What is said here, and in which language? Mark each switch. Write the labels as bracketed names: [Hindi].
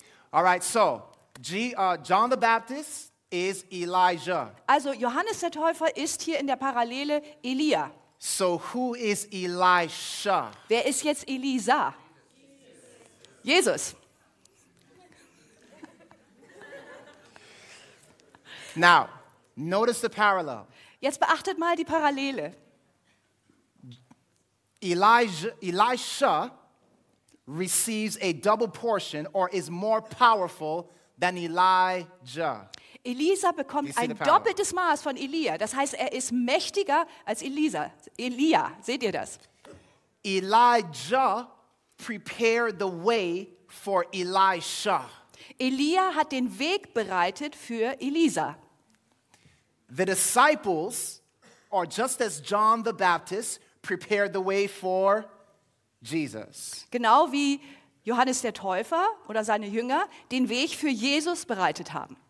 [English] All right, so John the Baptist is Elijah. [German] Also Johannes der Täufer ist hier in der Parallele Elia. [English] So who is Elisha? [German] Wer ist jetzt Elisa? Jesus. [English] Now, notice the parallel. [German] Jetzt beachtet mal die Parallele. [English] Elisha receives a double portion or is more powerful than Elijah. [German] Elisa bekommt ein doppeltes Maß von Elia. Das heißt, er ist mächtiger als Elia. Seht ihr das? [English] Elijah prepared the way for Elisha. [German] Elia hat den Weg bereitet für Elisa. [English] The disciples are just as John the Baptist prepared the way for Jesus. [German] Genau wie Johannes der Täufer oder seine Jünger den Weg für Jesus bereitet haben.